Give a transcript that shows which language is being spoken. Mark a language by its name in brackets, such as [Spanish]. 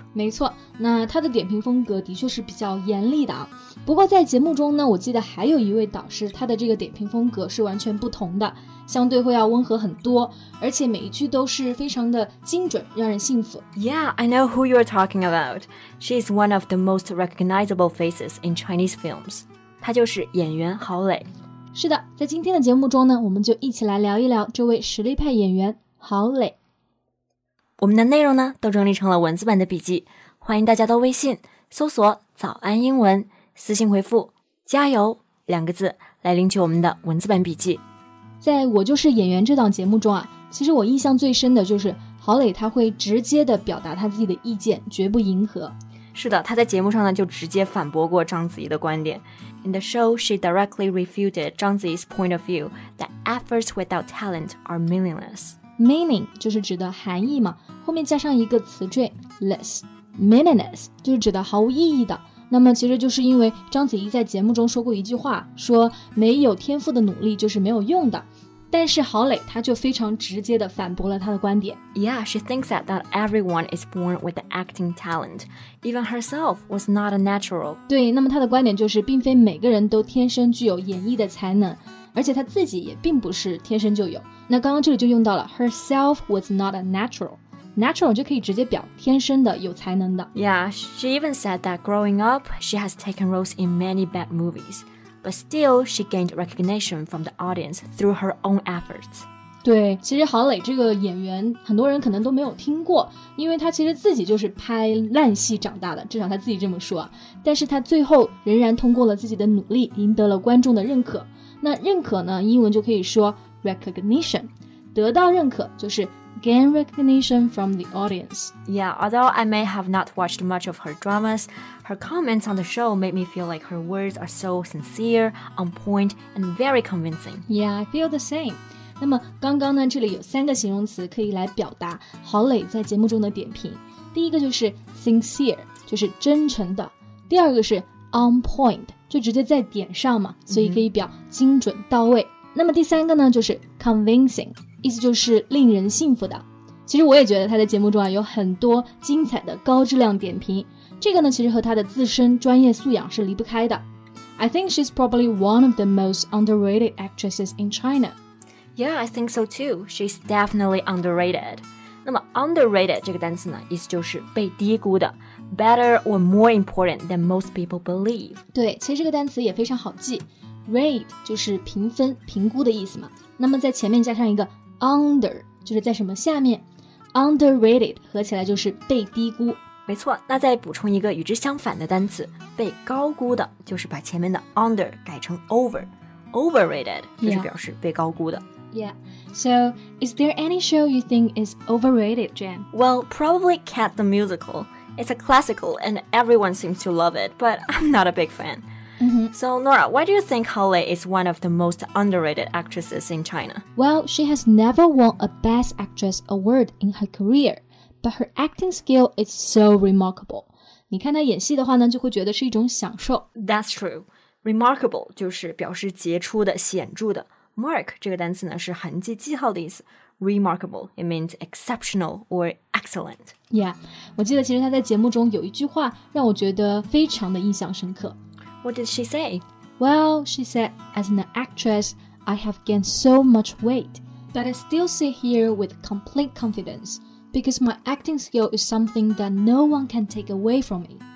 [Chinese] 没错，那她的点评风格的确是比较严厉的。不过在节目中呢，我记得还有一位导师，她的这个点评风格是完全不同的，相对会要温和很多，而且每一句都是非常的精准，让人信服。 [English] Yeah, I know who you're talking about. She is one of the most recognizable faces in Chinese films. [Chinese] 她就是演员郝蕾。是的，在今天的节目中呢，我们就一起来聊一聊这位实力派演员郝蕾。我们的内容呢都整理成了文字版的笔记，欢迎大家到微信搜索早安英文，私信回复加油两个字来领取我们的文字版笔记。在我就是演员这档节目中啊，其实我印象最深的就是郝蕾，他会直接的表达他自己的意见，绝不迎合。是的，他在节目上呢就直接反驳过章子怡的观点。 [English] In the show, she directly refuted Zhang Ziyi's point of view that efforts without talent are meaningless. [Chinese] Meaning 就是指的含义嘛，后面加上一个词缀 less, meaningless 就是指的毫无意义的。那么其实就是因为章子怡在节目中说过一句话，说没有天赋的努力就是没有用的。但是郝蕾她就非常直接地反驳了她的观点。 [English] Yeah, she thinks that everyone is born with acting talent. Even herself was not a natural. [Chinese] 对，那么她的观点就是并非每个人都天生具有演绎的才能，而且她自己也并不是天生就有。那刚刚这里就用到了 [English] herself was not a natural. [Chinese] Natural 就可以直接表天生的、有才能的。 [English] Yeah, she even said that growing up, she has taken roles in many bad movies. But still, she gained recognition from the audience through her own efforts. [Chinese] 对，其实郝蕾这个演员很多人可能都没有听过，因为她其实自己就是拍烂戏长大的，至少她自己这么说。但是她最后仍然通过了自己的努力，赢得了观众的认可。那认可呢，英文就可以说 recognition， 得到认可就是 [English] gain recognition from the audience. Yeah, although I may have not watched much of her dramas,Her comments on the show made me feel like her words are so sincere, on point, and very convincing. Yeah, I feel the same. [Chinese] 那么刚刚呢，这里有三个形容词可以来表达郝蕾在节目中的点评。第一个就是 sincere, 就是真诚的。第二个是 on point, 就直接在点上嘛，所以可以表精准到位。 Mm-hmm. 那么第三个呢，就是 convincing, 意思就是令人信服的。其实我也觉得她在节目中啊，有很多精彩的高质量点评。这个呢，其实和他的自身专业素养是离不开的。 [English] I think she's probably one of the most underrated actresses in China. Yeah, I think so too. She's definitely underrated. [Chinese] 那么 underrated 这个单词呢，意思就是被低估的。 [English] Better or more important than most people believe. [Chinese] 对，其实这个单词也非常好记。Rate 就是评分、评估的意思嘛。那么在前面加上一个 under， 就是在什么下面。 Underrated 合起来就是被低估。没错，那再补充一个与之相反的单词，被高估的，就是把前面的 under 改成 over。 Overrated 就是表示被高估的。 [English] Yeah. So, is there any show you think is overrated, Jen? Well, probably Cat the Musical. It's a classical and everyone seems to love it, but I'm not a big fan. So, Nora, why do you think Halle is one of the most underrated actresses in China? Well, she has never won a Best Actress Award in her career, but her acting skill is so remarkable. [Chinese] 你看她演戏的话呢，就会觉得是一种享受。 [English] That's true. [Chinese] Remarkable 就是表示杰出的、显著的。 Mark 这个单词呢是痕迹记号的意思 [English] Remarkable, it means exceptional or excellent [Chinese] Yeah, 我记得其实他在节目中有一句话让我觉得非常的印象深刻 [English] What did she say? Well, she said, as an actress, I have gained so much weight But I still sit here with complete confidence Because my acting skill is something that no one can take away from me